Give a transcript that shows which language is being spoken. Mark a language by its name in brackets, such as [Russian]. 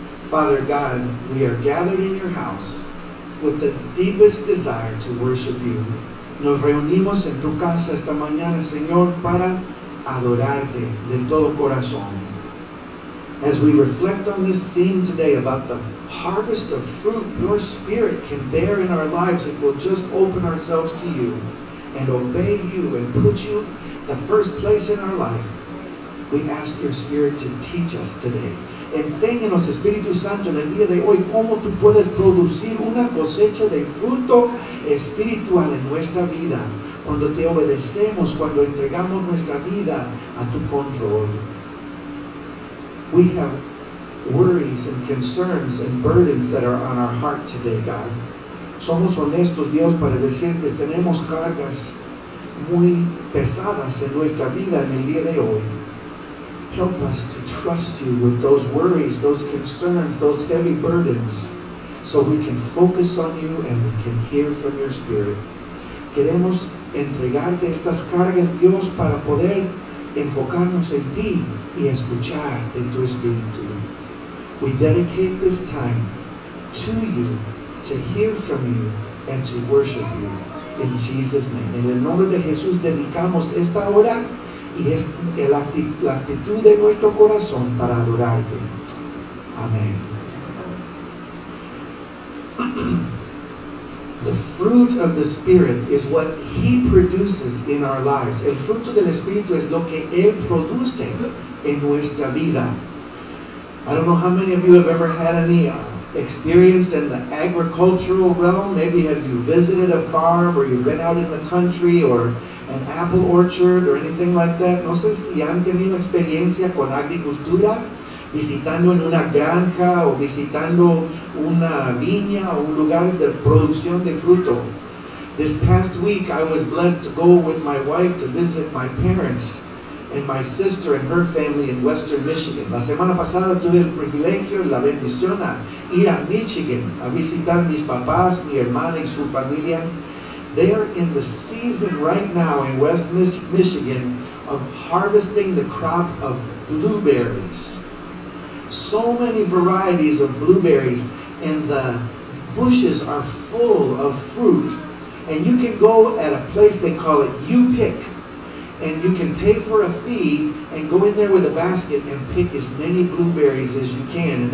[English] Father God, we are gathered in your house with the deepest desire to worship you. [Spanish] Nos reunimos en tu casa esta mañana, Señor, para adorarte de todo corazón. [English] As we reflect on this theme today about the harvest of fruit your Spirit can bear in our lives if we'll just open ourselves to you and obey you and put you the first place in our life, we ask your Spirit to teach us today. [Spanish] Enséñanos, Espíritu Santo, en el día de hoy, cómo tú puedes producir una cosecha de fruto espiritual en nuestra vida cuando te obedecemos, cuando entregamos nuestra vida a tu control. [English] We have worries and concerns and burdens that are on our heart today, God. [Spanish] Somos honestos, Dios, para decirte, tenemos cargas muy pesadas en nuestra vida en el día de hoy. [English] Help us to trust you with those worries, those concerns, those heavy burdens, so we can focus on you and we can hear from your Spirit. [Spanish] Queremos entregarte estas cargas, Dios, para poder enfocarnos en ti y escuchar de tu Espíritu. [English] We dedicate this time to you, to hear from you, and to worship you. In Jesus' name. [Spanish] En el nombre de Jesús, dedicamos esta hora y es la actitud de nuestro corazón para adorarte. Amén. [English] The fruit of the Spirit is what He produces in our lives. [Spanish] El fruto del Espíritu es lo que Él produce en nuestra vida. [English] I don't know how many of you have ever had any experience in the agricultural realm. Maybe have you visited a farm or you've been out in the country or an apple orchard or anything like that. [Spanish] No sé si han tenido experiencia con agricultura, visitando en una granja o visitando una viña o un lugar de producción de fruto. [English] This past week, I was blessed to go with my wife to visit my parents. and my sister and her family in Western Michigan. [Spanish] La semana pasada tuve el privilegio, la bendición, a ir a Michigan a visitar mis papás, mi hermana y su familia. [English] They are in the season right now in West Michigan of harvesting the crop of blueberries. So many varieties of blueberries, and the bushes are full of fruit. And you can go at a place, they call it You Pick, and you can pay for a fee and go in there with a basket and pick as many blueberries as you can.